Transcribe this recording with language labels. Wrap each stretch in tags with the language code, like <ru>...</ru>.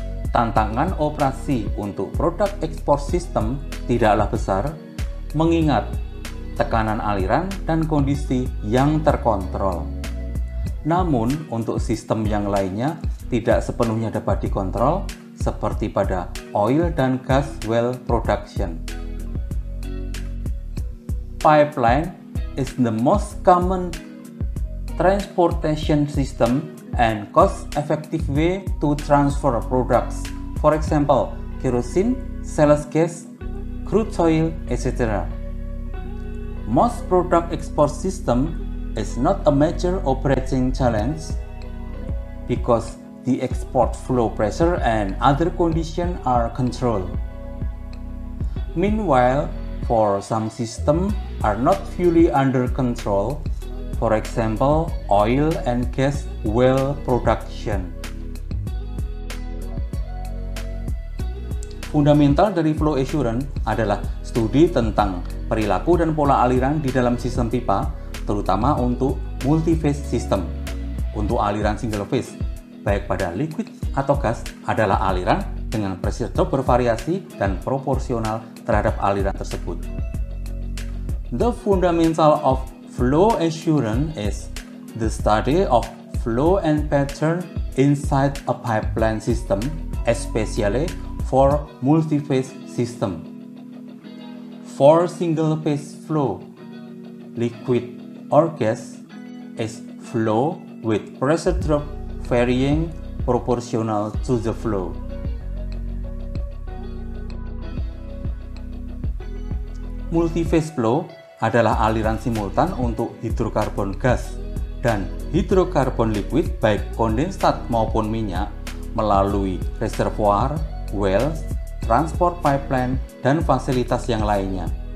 <id>Tantangan operasi untuk produk ekspor sistem tidaklah besar, mengingat tekanan aliran dan kondisi yang terkontrol. Namun, untuk sistem yang lainnya tidak sepenuhnya dapat dikontrol, seperti pada oil dan gas well production.</id> <en>Pipeline is the most common transportation system and cost-effective way to transfer products. For example, kerosene, shallow gas, crude oil, etc. Most product export system is not a major operating challenge because the export flow pressure and other conditions are controlled. Meanwhile, for some system are not fully under control, for example, oil and gas well production.</en> <id>Fundamental dari flow assurance adalah studi tentang perilaku dan pola aliran di dalam sistem pipa, terutama untuk multi-phase system. Untuk aliran single phase, baik pada liquid atau gas, adalah aliran dengan pressure drop bervariasi dan proporsional terhadap aliran tersebut.</id> <en>The fundamental of flow assurance is the study of flow and pattern inside a pipeline system, especially for multi-phase system. For single-phase flow, liquid or gas is flow with pressure drop varying proportional to the flow.</en> <id>Multi-phase flow adalah aliran simultan untuk hidrokarbon gas dan hidrokarbon liquid baik kondensat maupun minyak melalui reservoir, well, transport pipeline, dan fasilitas yang lainnya.</id>